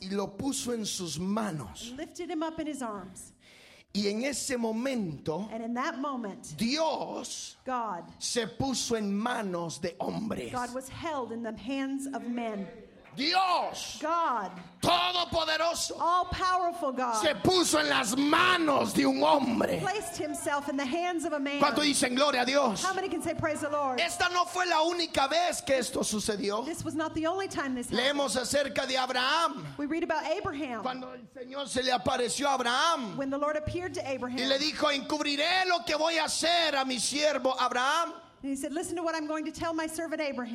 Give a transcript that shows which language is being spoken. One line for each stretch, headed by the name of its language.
Spanish: Y lo puso en sus manos.
English: And lifted him up in his arms.
Spanish: Y en ese momento,
English: and in that moment,
Spanish: Dios,
English: God,
Spanish: se puso en manos de hombres.
English: God was held in the hands of men.
Spanish: Dios,
English: God,
Spanish: todopoderoso,
English: all powerful God,
Spanish: se puso en las manos de un hombre.
English: Placed himself in the hands of a man.
Spanish: ¿Cuánto dicen gloria a Dios?
English: How many can say praise the Lord?
Spanish: Esta no fue la única vez que esto sucedió.
English: This was not the only time this happened.
Spanish: Leemos acerca de Abraham.
English: We read about Abraham.
Spanish: Cuando el Señor se le apareció a Abraham.
English: When the Lord appeared to Abraham.
Spanish: Y le dijo, encubriré lo que voy a hacer a mi siervo Abraham.
English: And he said, listen to what I'm going to tell my servant Abraham.